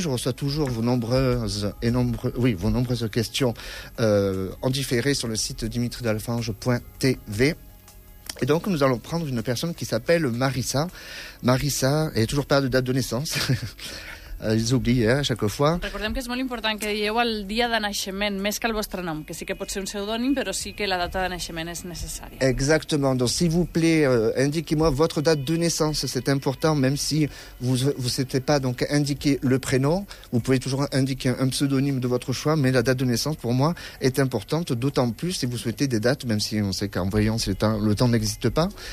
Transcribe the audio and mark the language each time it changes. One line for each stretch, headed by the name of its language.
French: Je reçois toujours vos nombreuses questions en différé sur le site dimitridalfange.tv. Et donc, nous allons prendre une personne qui s'appelle Marissa. Marissa, elle n'a toujours pas de date de naissance. Ils oublient à chaque fois.
Catalan: Recordem que és molt important que dieu el dia de naixement, més que el vostre nom, que sí que pot ser un pseudònim, però sí que la data de naixement és necessària.
French: Exactement. Donc, s'il vous plaît, indiquez-moi votre date de naissance. C'est important, même si vous ne souhaitez pas donc, indiquer le prénom. Vous pouvez toujours indiquer un pseudonyme de votre choix, mais la date de naissance, pour moi, est importante, d'autant plus si vous souhaitez des dates, même si on sait qu'en voyance, le temps n'existe pas.